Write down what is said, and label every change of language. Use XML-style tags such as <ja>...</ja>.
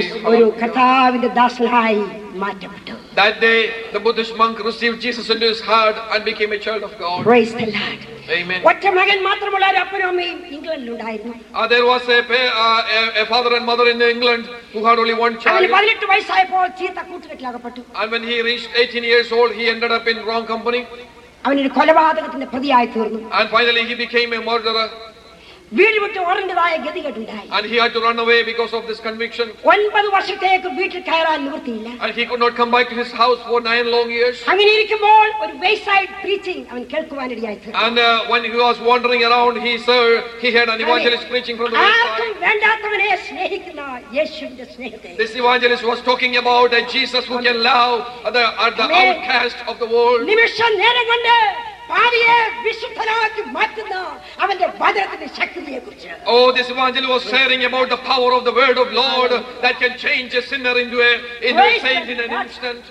<ml>ഒരു കർത്താവിന്റെ ദാസനായി മാറ്റപ്പെട്ടു.</ml> <en>That day the Buddhist monk received Jesus into his heart and became a child of God. Praise the Lord. Amen.</en> <ml>ഒറ്റ മകൻ മാത്രമുള്ള ഒരു അപ്പനമ്മയും ഇംഗ്ലണ്ടിൽ ഉണ്ടായിരുന്നു.</ml> <en>There was a father and mother in England who had only one child.</en> <ml>അവൻ 18 വയസ്സായപ്പോൾ ചീത്ത കൂട്ടുകെട്ടിലകപ്പെട്ടു.</ml> <en>And when he reached 18 years old, he ended up in wrong company.</en> <ml>അവൻ ഒരു കൊലപാതകത്തിന്റെ പ്രതിയായി തീർന്നു.</ml> <en>And finally he became a murderer.</en> <ml>വീട് വിട്ട് ഉറങ്ങിയതായ ഗതികേടുണ്ടായി.</ml> <en>And he had to run away because of this conviction.</en> <ml>9 വർഷത്തേക്ക് വീട്ടിൽ കയറാൻ നിവൃത്തിയില്ല.</ml> <en>And he could not come back to his house for 9 long years.</en> <ml>അങ്ങനെ ഇരിക്കുമ്പോൾ ഒരു</ml> <en>wayside preaching</en> <ml>അവൻ കേൾക്കുവാനിടയായി.</ml> <en>And when he was wandering around, he heard an evangelist preaching from the wayside.</en> <ml>ആർക്കും വേണ്ടാത്തവനെ സ്നേഹിക്കുന്ന യേശുവിന്റെ സ്നേഹത്തെ.</ml> <en>This evangelist was talking about a Jesus who can love the outcast of the world.</en> <ml>നിമിഷം നേരം കൊണ്ട് ആരിയെ വിശുദ്ധനാക്കി മാറ്റുന്ന അവന്റെ വചനത്തിന്റെ ശക്തിയെ കുറിച്ച്.</ml> <en>Oh, this evangelist was sharing about the power of the word of Lord that can change a sinner into a saint in an instant.</en>